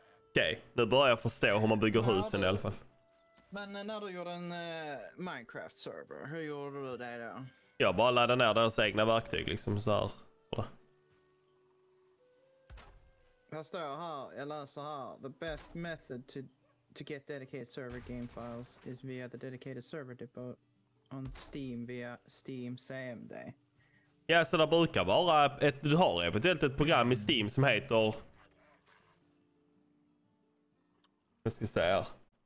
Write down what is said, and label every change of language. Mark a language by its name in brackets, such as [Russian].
[Swedish] Okej, nu börjar jag förstå hur man bygger husen i alla fall. Men när du gjorde en Minecraft-server, hur gjorde du det då? Jag bara laddade ner deras egna verktyg, liksom så här. Jag står här, jag läser här. [English] The best method to get dedicated server game files is via the dedicated server depot on Steam via Steam CMD. [Swedish] Ja, så det brukar vara ett, du har eventuellt ett program i Steam som heter... Jag ska säga här.